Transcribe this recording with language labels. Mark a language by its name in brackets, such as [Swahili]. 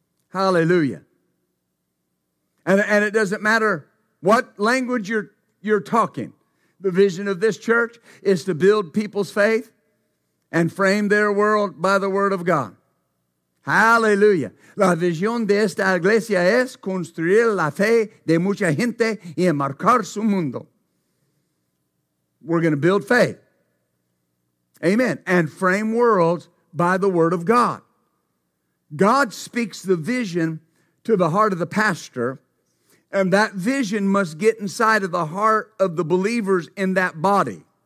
[English] Hallelujah. And it doesn't matter what language you're talking. The vision of this church is to build people's faith and frame their world by the word of God. Hallelujah. [Spanish] La visión de esta iglesia es construir la fe de mucha gente y marcar su mundo. [English] We're going to build faith. Amen. And frame worlds by the word of God. God speaks the vision to the heart of the pastor, and that vision must get inside of the heart of the believers in that body.